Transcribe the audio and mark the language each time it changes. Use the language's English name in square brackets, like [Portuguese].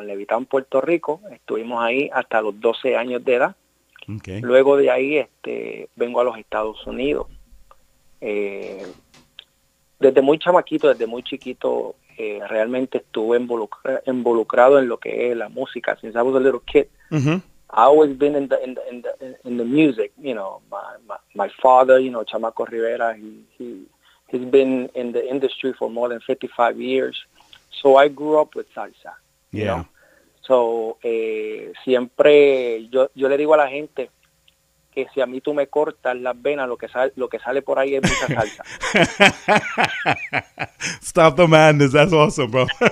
[Spanish] En Levittown, Puerto Rico, estuvimos ahí hasta los 12 años de edad. Okay. Luego de ahí vengo a los Estados Unidos. Desde muy chamaquito, desde muy chiquito, realmente estuve involucrado en lo que es la música. [English] Since I was a little kid, mm-hmm. I always been in the music. You know, my father, you know, Chamaco Rivera, he's been in the industry for more than 55 years. So I grew up with salsa. Yeah. You know? [Spanish] So siempre yo le digo a la gente que si a mí tú me cortas las venas, lo que sale por ahí es mucha salsa. [English] Stop the madness, that's awesome, bro.